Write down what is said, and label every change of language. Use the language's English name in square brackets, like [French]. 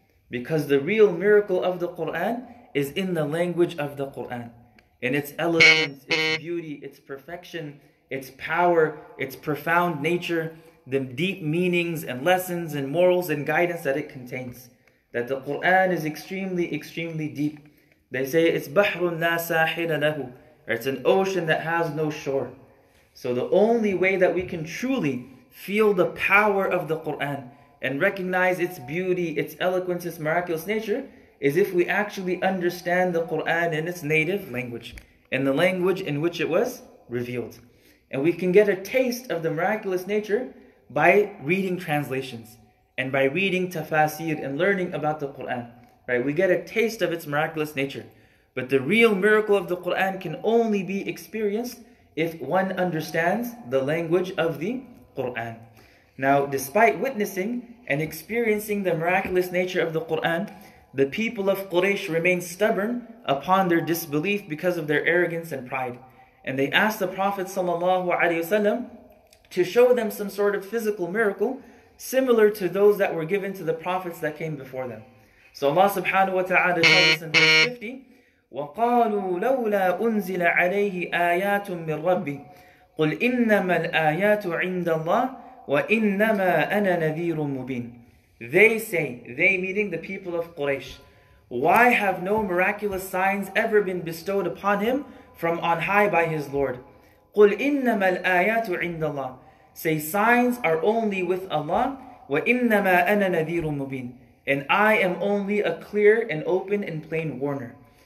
[English] Because the real miracle of the Qur'an is in the language of the Qur'an. In its elegance, its beauty, its perfection, its power, its profound nature, the deep meanings and lessons and morals and guidance that it contains. That the Qur'an is extremely, extremely deep. They say it's [Arabic] بَحْرٌ لَا سَاحِلَ لَهُ. [English] It's an ocean that has no shore. So the only way that we can truly feel the power of the Qur'an and recognize its beauty, its eloquence, its miraculous nature, is if we actually understand the Qur'an in its native language, in the language in which it was revealed. And we can get a taste of the miraculous nature by reading translations, and by reading tafsīr and learning about the Qur'an. Right? We get a taste of its miraculous nature. But the real miracle of the Qur'an can only be experienced if one understands the language of the Qur'an. Now, despite witnessing and experiencing the miraculous nature of the Qur'an, the people of Quraysh remained stubborn upon their disbelief because of their arrogance and pride. And they asked the Prophet ﷺ to show them some sort of physical miracle similar to those that were given to the prophets that came before them. So Allah subhanahu wa ta'ala tells us in verse 50, [Arabic] وَقَالُوا لَوْلَا أُنزِلَ عَلَيْهِ آيَاتٌ مِّن رَبِّي قُلْ إِنَّمَا الْآيَاتُ عِنْدَ اللَّهِ وَإِنَّمَا أَنَا نَذِيرٌ مُّبِينٌ. [English] They say, they meaning the people of Quraysh, why have no miraculous signs ever been bestowed upon him from on high by his Lord? [Arabic] قُلْ إِنَّمَا الْآيَاتُ عِنْدَ اللَّهِ. [English] say, signs are only with Allah. [Arabic] وَإِنَّمَا أَنَا نَذِيرٌ مُّبِينٌ [English] And I am only a clear and open and plain warner.